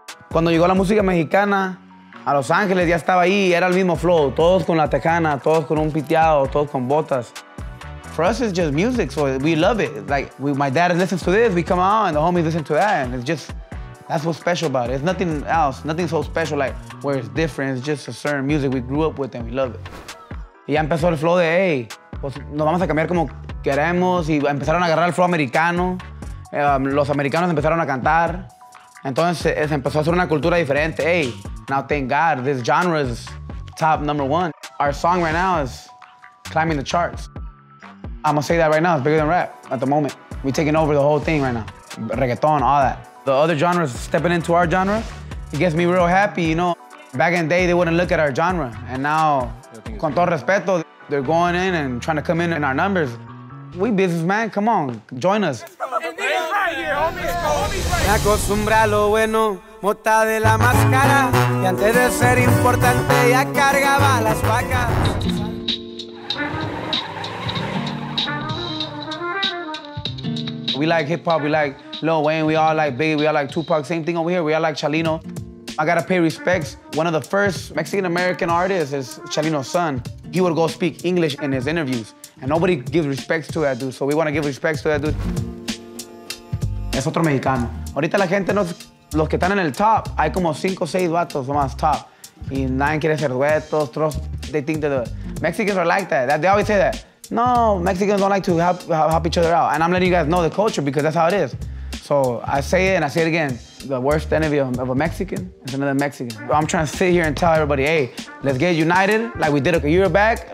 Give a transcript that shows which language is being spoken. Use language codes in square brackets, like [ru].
[es] Cuando llegó la música mexicana a Los Ángeles, ya estaba ahí, era el mismo flow. Todos con la tejana, todos con un piteado, todos con botas. [en] For us, it's just music, so we love it. Like, my dad listens to this, we come out, and the homies listen to that, and it's just, that's what's special about it. It's nothing else, nothing so special, like, where it's different. It's just a certain music we grew up with, and we love it. [es] Y ya empezó el flow de, hey, pues, nos vamos a cambiar como queremos, y empezaron a agarrar el flow americano. Los americanos empezaron a cantar. Entonces, se empezó a hacer una cultura diferente. [en] Hey, now thank God, this genre is top number one. Our song right now is climbing the charts. I'm gonna say that right now, it's bigger than rap at the moment. We're taking over the whole thing right now. Reggaeton, all that. The other genres stepping into our genre, it gets me real happy, you know. Back in the day, they wouldn't look at our genre. And now, [es] con todo respeto, [en] they're going in and trying to come in our numbers. We businessmen, come on, join us. [es] Me acostumbré a lo bueno, mota de la máscara. Y antes de ser importante, ya cargaba las vacas. [en] We like hip hop, we like Lil Wayne, we all like Biggie, we all like Tupac, same thing over here, we all like Chalino. I gotta pay respects. One of the first Mexican-American artists is Chalino's son. He would go speak English in his interviews, and nobody gives respects to that dude, so we wanna give respects to that dude. [es] Es otro mexicano. Ahorita la gente, los que están en el top, hay como cinco, seis vatos más top. Y nadie quiere ser duetos, todos, [en] they think that the Mexicans are like that. They always say that. No, Mexicans don't like to help each other out. And I'm letting you guys know the culture because that's how it is. So I say it and I say it again. The worst enemy of a Mexican is another Mexican. I'm trying to sit here and tell everybody, hey, let's get united like we did a year back.